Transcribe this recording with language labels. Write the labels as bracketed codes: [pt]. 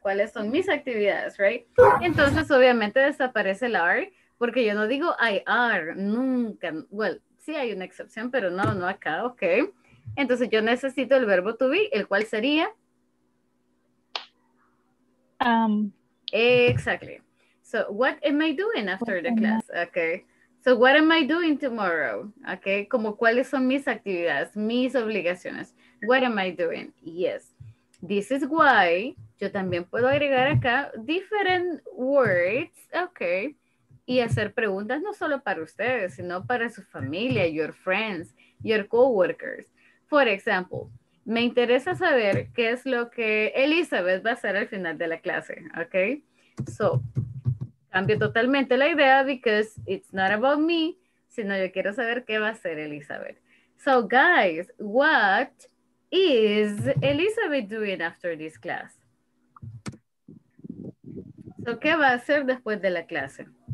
[es] ¿Cuáles son mis actividades, right? Entonces, obviamente, desaparece el are, porque yo no digo I are, nunca. Well, sí hay una excepción, pero no acá, okay. Entonces, yo necesito el verbo to be, el cual sería... [en] Exactly. So what am I doing after the class? Okay. So what am I doing tomorrow? Okay. [es] Como cuáles son mis actividades, mis obligaciones. [en] What am I doing? Yes. This is why [es] yo también puedo agregar acá [en] different words. Okay. [es] Y hacer preguntas no solo para ustedes, sino para su familia, [en] your friends, your coworkers. For example, [es] me interesa saber qué es lo que Elizabeth va a hacer al final de la clase, ¿ok? So, cambio totalmente la idea [en] because it's not about me, [es] sino yo quiero saber qué va a hacer Elizabeth. [en] So, guys, what is Elizabeth doing after this class? [es] So, ¿qué va a hacer después de la clase?